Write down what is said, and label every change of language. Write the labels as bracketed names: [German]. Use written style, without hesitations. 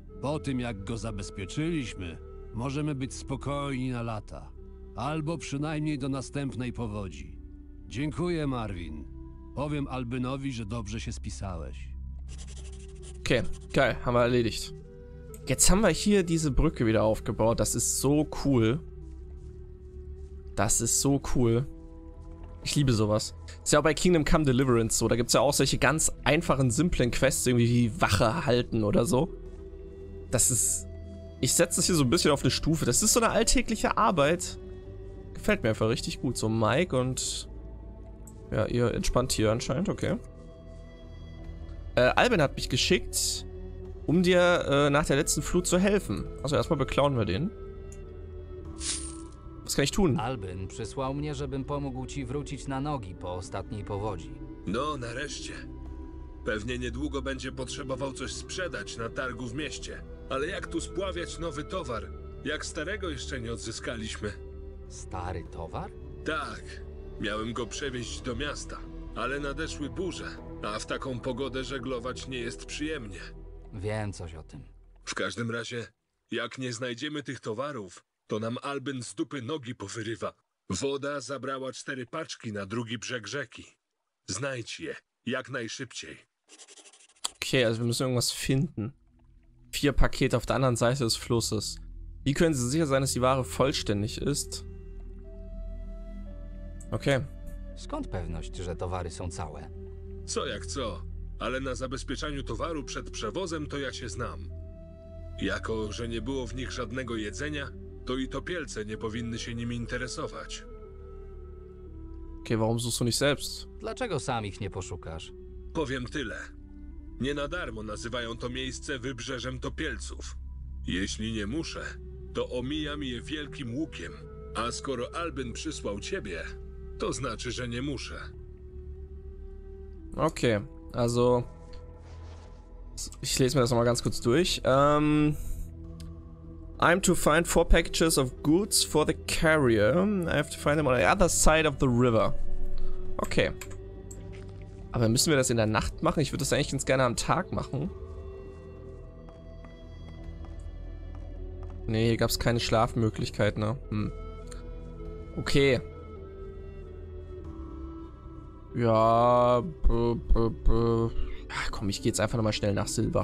[Polish] Po tym, jak go zabezpieczyliśmy, możemy być spokojni na lata. Albo przynajmniej do następnej powodzi. Dziękuję, Marvin. Powiem Albinowi, że dobrze się spisałeś. [German] Okay, geil, haben wir erledigt. Jetzt haben wir hier diese Brücke wieder aufgebaut. Das ist so cool. Das ist so cool. Ich liebe sowas. Ist ja auch bei Kingdom Come Deliverance so. Da gibt es ja auch solche ganz einfachen, simplen Quests, irgendwie wie Wache halten oder so. Das ist... Ich setze das hier so ein bisschen auf eine Stufe. Das ist so eine alltägliche Arbeit. Gefällt mir einfach richtig gut. So Mike und... Ja, ihr entspannt hier anscheinend. Okay. Albin hat mich geschickt, um dir nach der letzten Flut zu helfen. Also erstmal beklauen wir den. Was kann ich tun? [Polish] Albin przysłał mnie, żebym pomógł ci wrócić na nogi po ostatniej powodzi. No, nareszcie. Pewnie niedługo będzie potrzebował coś sprzedać na targu w mieście. Ale jak tu spławiać nowy towar? Jak starego jeszcze nie odzyskaliśmy. Stary towar? Tak. Miałem go przewieźć do miasta. Ale nadeszły burze. A w taką pogodę żeglować nie jest przyjemnie. Wiem coś o tym. W każdym razie, jak nie znajdziemy tych towarów, to nam Albin z dupy nogi powyrywa. Woda zabrała 4 paczki na drugi brzeg rzeki. Znajdź je, jak najszybciej. [German] Okay, also wir müssen irgendwas finden. 4 Pakete auf der anderen Seite des Flusses. Wie können Sie sicher sein, dass die Ware vollständig ist? Okay. [Polish] Skąd pewność, że towary są całe? Co jak co, ale na zabezpieczaniu towaru przed przewozem to ja się znam. Jako, że nie było w nich żadnego jedzenia, to i topielce nie powinny się nimi interesować. [German] Okay, warum suchst du nicht selbst? [Polish] Dlaczego sam ich nie poszukasz? Powiem tyle. Nie na darmo nazywają to miejsce wybrzeżem topielców. Jeśli nie muszę, to omijam je wielkim łukiem. A skoro Albin przysłał ciebie, to znaczy, że nie muszę. [German] Okay, also... Ich lese mir das nochmal ganz kurz durch. [English] I'm to find 4 packages of goods for the carrier. I have to find them on the other side of the river. [German] Okay. Aber müssen wir das in der Nacht machen? Ich würde das eigentlich ganz gerne am Tag machen. Nee, hier gab es keine Schlafmöglichkeit, ne? Hm. Okay. Ja, ach komm, ich geh jetzt einfach nochmal schnell nach Silbach.